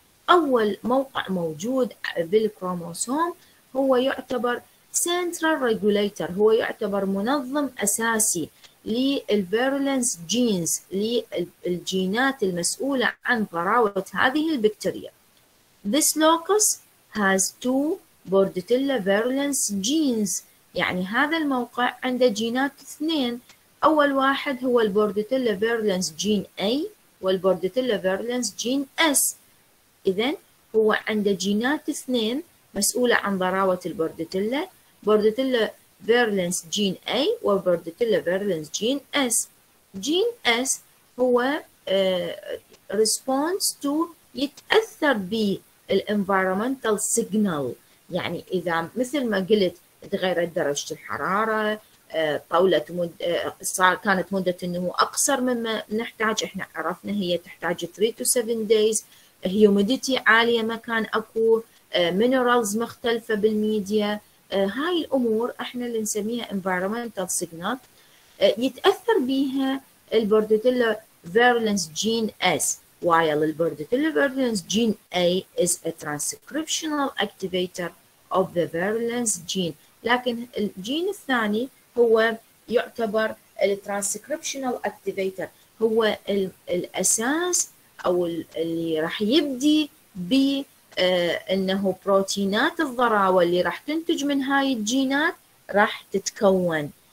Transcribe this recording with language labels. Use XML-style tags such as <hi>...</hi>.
<ar>اول موقع موجود بالكروموسوم هو يعتبر سنترال ريجوليتر، هو يعتبر منظم اساسي للفيرولنس جينز، للجينات المسؤوله عن ضراوه هذه البكتيريا.</ar> <en>This locus has two Bordetella virulence genes.</en> <ar>يعني هذا الموقع عنده جينات اثنين. أول واحد هو</ar> <en>Bordetella virulence gene A والBordetella virulence gene S.</en> <ar>إذن هو عنده جينات اثنين مسؤولة عن ضراوة Bordetella.</ar> <en>Bordetella virulence gene A والBordetella virulence gene S.</en> <ar>Gene S هو</ar> <en>response to</en> <ar>يتأثر ب الانفيرومنتال سيجنال، يعني اذا مثل ما قلت تغيرت درجه الحراره، طولت صار كانت مده النمو اقصر مما نحتاج، احنا عرفنا هي تحتاج</ar> <en>3 to 7 days،</en> <ar>هيوميديتي عاليه مكان اكو، مينرالز مختلفه بالميديا، هاي الامور احنا اللي نسميها انفيرومنتال سيجنال. يتاثر بيها البوردتيلا فيرولنس جين اس،</ar> <en>while the Bordetella virulence gene A is a transcriptional activator of the virulence gene.</en> <ar>لكن الجين الثاني هو يعتبر الترانسكريبشنال اكتيفيتر، هو الاساس او اللي راح يبدي ب انه بروتينات الضراوه اللي راح تنتج من هاي الجينات راح تتكون.</ar>